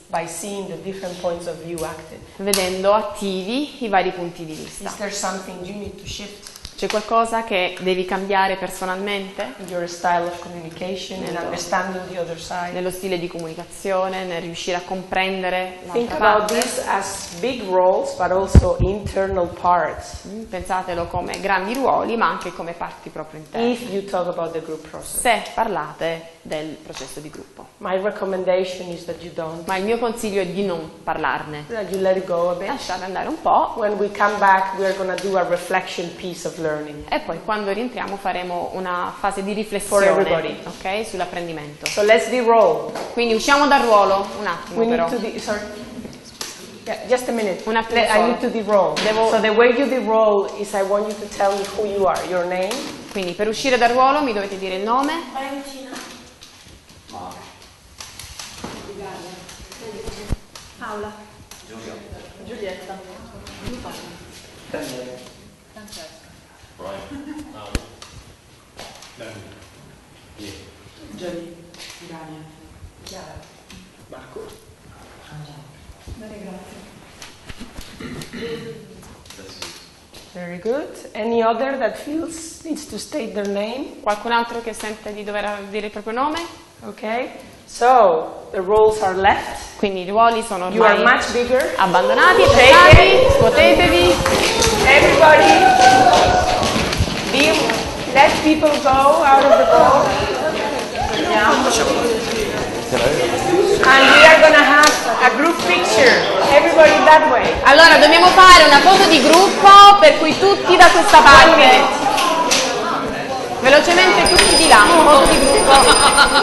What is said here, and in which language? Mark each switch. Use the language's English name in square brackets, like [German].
[English] By seeing the different points of view active. [Italian] Vedendo attivi i vari punti di vista. [English] Is there something you need to shift? [Italian] C'è qualcosa che devi cambiare personalmente? [English] Your style of communication and understanding the other side. [Italian] Nello stile di comunicazione, nel riuscire a comprendere l'altra [English] Think [Italian] parte. [English] Think about this as big roles, but also internal parts. [Italian] Pensatelo come grandi ruoli, ma anche come parti proprio interne. [English] If you talk about the group process. [Italian] Se parlate del processo di gruppo. [English] My recommendation is that you don't. [Italian] Ma il mio consiglio è di non parlarne. [English] That you let it go a bit. [Italian] Lasciate andare un po'. [English] When we come back, we are gonna do a reflection piece of learning. [Italian] E poi quando rientriamo faremo una fase di riflessione, ok, sull'apprendimento. [English] So let's de-roll. [Italian] Quindi usciamo dal ruolo un attimo. [English] We [Italian] però. [English] Need to de- sorry. Yeah, just a minute. [Italian] Un attimo. [English] I need to de-roll. So the way you de-roll is I want you to tell me who you are, your name. [Italian] Quindi per uscire dal ruolo mi dovete dire il nome. Valentina. Paola. Giulia. Giulietta. Francesca. [English] Very good. Any other that feels needs to state their name? [Italian] Qualcun altro che sente di dover dire il proprio nome? [English] Okay. So the roles are left. [Italian] Quindi i ruoli sono ormai [English] you are much bigger. [Italian] Abbandonati, prendetevi, scuotetevi. [English] Everybody. Let people go out of the door. Yeah. And we are gonna have a group picture. Everybody that way. [Italian] Allora dobbiamo fare una foto di gruppo per cui tutti da questa parte. Velocemente tutti di là, foto di gruppo.